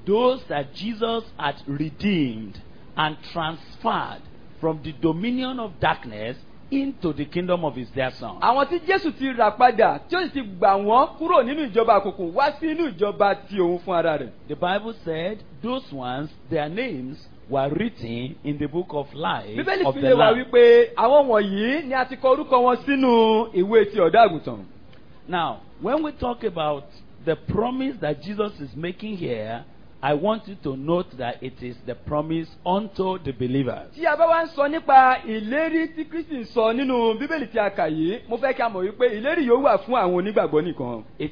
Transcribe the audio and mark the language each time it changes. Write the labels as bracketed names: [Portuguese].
[English] Those that Jesus had redeemed and transferred from the dominion of darkness into the kingdom of his dear son. [Yoruba] Àwọn tí Jésù ti rà padà, tí ó sì ti gbà wọ́n kúrò nínú ìjọba àkùkù wá sí inú ìjọba tí òun fún ara rẹ̀. [English] The Bible said those ones, their names were written in the book of life of the Lamb. [Yoruba] Bíbélì fi lè wá wípé àwọn wọ̀nyí ni a ti kọ orúkọ wọn sínú ìwé ti ọ̀dọ́ àgùntàn. [English] Now, when we talk about the promise that Jesus is making here, I want you to note that it is the promise unto the believers. [Yoruba] Tí a bá wá ń sọ nípa ìlérí tí Kristì ń sọ nínú Bíbélì tí a kà yìí, mo fẹ́ kí a mọ̀ wípé ìlérí yóò wà fún àwọn onígbàgbọ́ nìkan.